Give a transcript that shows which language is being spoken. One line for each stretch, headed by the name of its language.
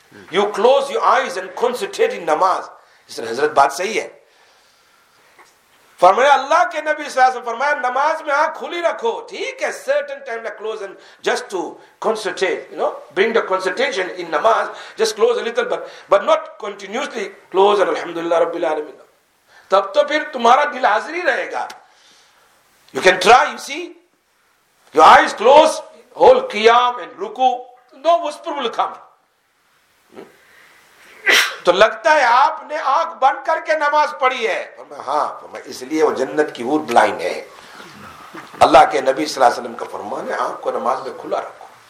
English: You close your eyes and concentrate in namaz. Is it
Urdu: Hazrat baat sahi hai? فرمایا اللہ کے نبی صلی اللہ علیہ وسلم فرمایا نماز میں آنکھ کھلی رکھو ٹھیک ہے
English: certain time like close and just to concentrate, you know, bring the concentration in namaz, just close a little but not continuously close and
Urdu: الحمدللہ رب العالمین. تب تو پھر تمہارا دل حاضر ہی رہے گا.
English: You can try, you see, your eyes close, whole qiyam and ruku, no whisper will come.
Urdu: تو لگتا ہے آپ نے آنکھ بند کر کے نماز پڑھی ہے. ہاں, اس لیے وہ جنت کی ہور بلائن ہے. اللہ کے نبی صلی اللہ علیہ وسلم کا فرمان ہے آنکھ کو نماز میں کھلا رکھو.